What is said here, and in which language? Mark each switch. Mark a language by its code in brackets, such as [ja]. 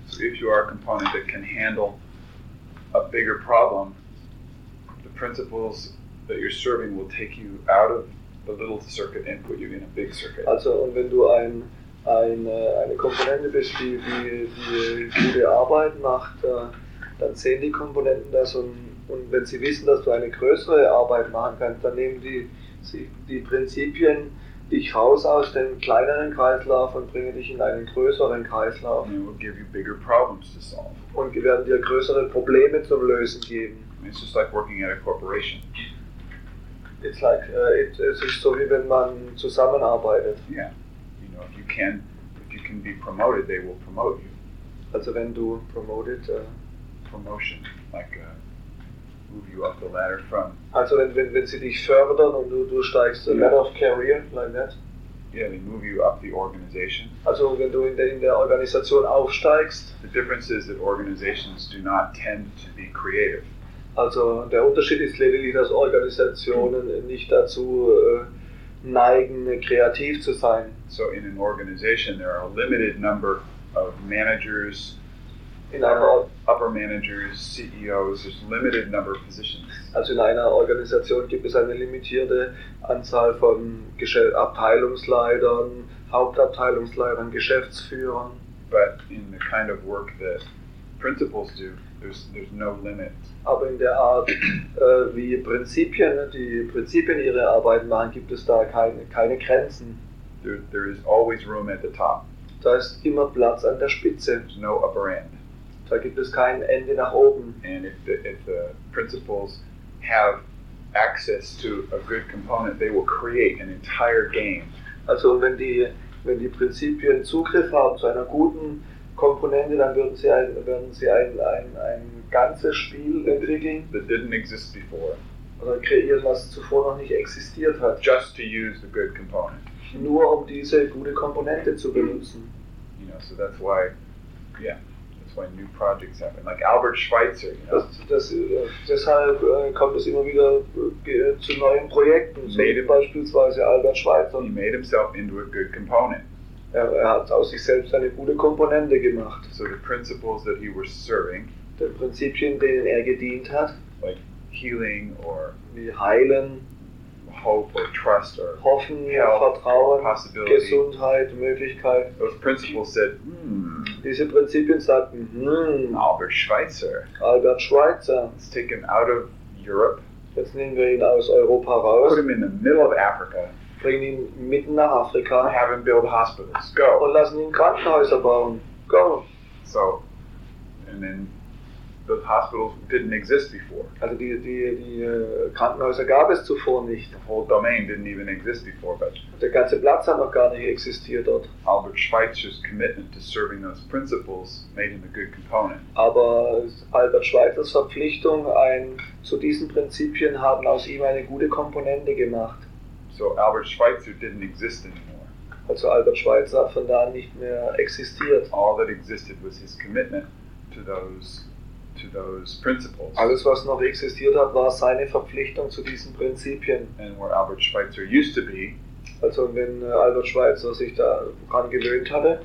[en] So if you are a component that can handle a bigger problem, the principles that you're serving will take you out of a little circuit and put you in a big circuit. [de] Also, und wenn du eine Komponente bist, die gute Arbeit macht, dann sehen die Komponenten das und wenn sie wissen, dass du eine größere Arbeit machen kannst, dann nehmen die Prinzipien dich raus aus dem kleineren Kreislauf und bringen dich in einen größeren Kreislauf. [en] And it will give you bigger problems to solve. [de] Und werden dir größere Probleme zum Lösen geben. [en] It's just like working at a corporation. It's like [de] es ist so wie wenn man zusammenarbeitet. [en] Yeah, you know, if you can be promoted, they will promote you. [de] Also wenn du promoted, [en] promotion, like move you up the ladder from. [de] Also wenn sie dich fördern und du steigst [en] the ladder of career like that. Yeah, they move you up the organization. [de] Also wenn du in der Organisation aufsteigst. [en] The difference is that organizations do not tend to be creative. [de] Also der Unterschied ist lediglich, dass Organisationen nicht dazu neigen, kreativ zu sein. [en] So in an organization there are a limited number of managers, upper managers, CEOs, there's a limited number of positions. [de] Also in einer Organisation gibt es eine limitierte Anzahl von Abteilungsleitern, Hauptabteilungsleitern, Geschäftsführern. [en] But in the kind of work that principals do, There's no limit. [de] Aber in der Art, wie die Prinzipien ihre Arbeit machen, gibt es da keine Grenzen. [en] There is always room at the top. [de] Da ist immer Platz an der Spitze. [en] There's no upper end. [de] Da gibt es kein Ende nach oben. [en] And if the principals have access to a good component, they will create an entire game. [de] Also wenn die Prinzipien Zugriff haben zu einer guten Komponente, dann würden sie ein ganzes Spiel entwickeln. [en] That didn't exist before. [de] Oder kreieren, was zuvor noch nicht existiert hat. [en] Just to use the good component. [de] Nur um diese gute Komponente zu benutzen. [en] You know, so that's why, that's why new projects happen. Like Albert Schweitzer, you know. [de] Deshalb kommt es immer wieder zu neuen Projekten. [en] So made [de] beispielsweise Albert Schweitzer. [en] He made himself into a good component. [de] Er hat aus sich selbst eine gute Komponente gemacht. [en] So the principles that he was serving. [de] Die Prinzipien, denen er gedient hat. [en] Like healing or [de] heilen, [en] hope or trust or [de] hoffen, [en] health, [de] Vertrauen, [en] possibility. [de] Gesundheit, Möglichkeit. [en] Those principles said, [de] diese Prinzipien sagten, [en] Albert Schweitzer. Let's take him out of Europe. [de] Jetzt nehmen wir ihn aus Europa raus. [en] Put him in the middle of Africa. [de] Bringen ihn mitten nach Afrika. [en] And have him build hospitals. Go. [de] Und lassen ihn Krankenhäuser bauen. Go. [en] So, and then the hospitals didn't exist before. [de] Also die Krankenhäuser gab es zuvor nicht. [en] The whole domain didn't even exist before, but [de] der ganze Platz hat noch gar nicht existiert dort. [en] Albert Schweitzer's commitment to serving those principles made him a good component. [de] Aber Albert Schweitzers Verpflichtung zu diesen Prinzipien haben aus ihm eine gute Komponente gemacht. [en] So Albert Schweitzer didn't exist anymore. [de] Also Albert Schweitzer von da an nicht mehr existiert. [en] All that existed was his commitment to those. To those principles. [de] Alles, was noch existiert hat, war seine Verpflichtung zu diesen Prinzipien. [en] And where Albert Schweitzer used to be, [de] also wenn Albert Schweitzer sich daran gewöhnt hatte,